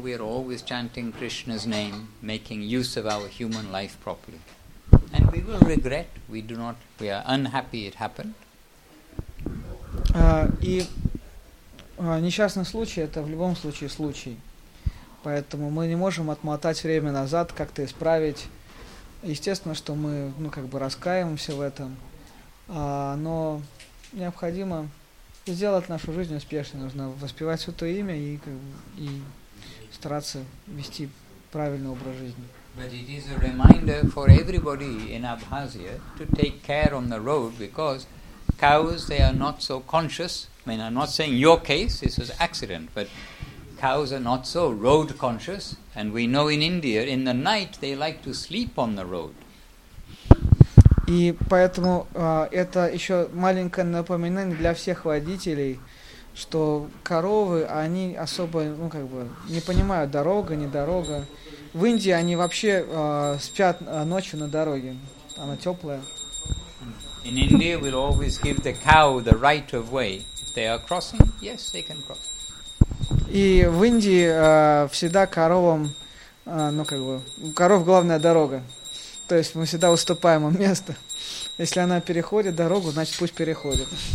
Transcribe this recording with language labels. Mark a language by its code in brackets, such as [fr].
[en] We are always chanting Krishna's name, making use of our human life properly, and we will regret. We do not. We are unhappy it happened. [ru] И несчастный случай — это в любом случае случай, поэтому мы не можем отмотать время назад, как-то исправить. Естественно, что мы, ну, как бы, раскаиваемся в этом, но необходимо сделать нашу жизнь успешной. Нужно воспевать Святое Имя и стараться вести правильный образ жизни. [en] But it is a reminder for everybody in Abkhazia to take care on the road, because cows, they are not so conscious. I mean, I'm not saying your case, this was accident, but cows are not so road conscious, and we know in India, in the night, they like to sleep on the road. [ru] И поэтому это еще маленькое напоминание для всех водителей, что коровы, они особо, ну, как бы, не понимают, дорога, не дорога. В Индии они вообще спят ночью на дороге. Она теплая. [en] In India we'll always give the cow the right of way. If they are crossing, yes, they can cross. [ru] И в Индии всегда коровам, ну, как бы, у коров главная дорога. То есть мы всегда уступаем им место. Если она переходит дорогу, значит, пусть переходит.